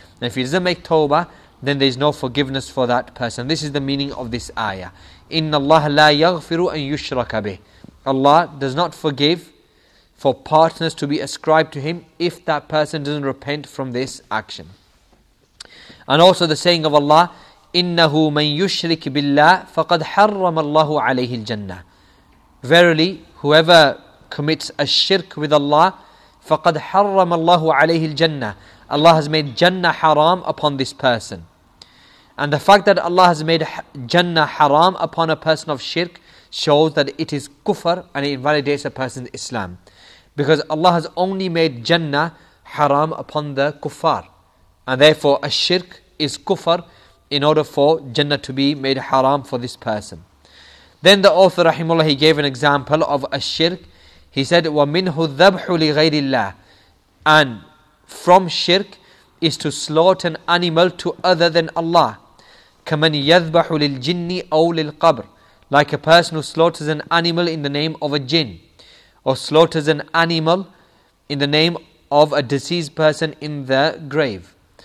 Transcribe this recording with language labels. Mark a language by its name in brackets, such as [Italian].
[English] And if he doesn't make tawbah, then there is no forgiveness for that person. This is the meaning of this ayah. [Arabic] إِنَّ اللَّهَ لَا يَغْفِرُ أَن يُشْرَكَ بِهِ. [English] Allah does not forgive for partners to be ascribed to him if that person doesn't repent from this action. And also the saying of Allah, [Arabic] إِنَّهُ مَن يُشْرِكْ بِاللَّهِ فَقَدْ حَرَّمَ اللَّهُ عَلَيْهِ الْجَنَّةِ. [English] Verily, whoever commits a shirk with Allah, [Arabic] فَقَدْ حَرَّمَ اللَّهُ عَلَيْهِ الْجَنَّةِ. [English] Allah has made Jannah haram upon this person. And the fact that Allah has made Jannah haram upon a person of shirk shows that it is kufr and it invalidates a person's Islam. Because Allah has only made Jannah haram upon the kuffar. And therefore a shirk is kufr in order for Jannah to be made haram for this person. Then the author, rahimullah, he gave an example of a shirk. He said, [Arabic] وَمِنْهُ الذَّبْحُ لِغَيْرِ اللَّهِ. [English] And from shirk is to slaughter an animal to other than Allah. [Arabic] كَمَنْ يَذْبَحُ لِلْجِنِّ أَوْ لِلْقَبْرِ. [English] Like a person who slaughters an animal in the name of a jinn, or slaughters an animal in the name of a deceased person in the grave.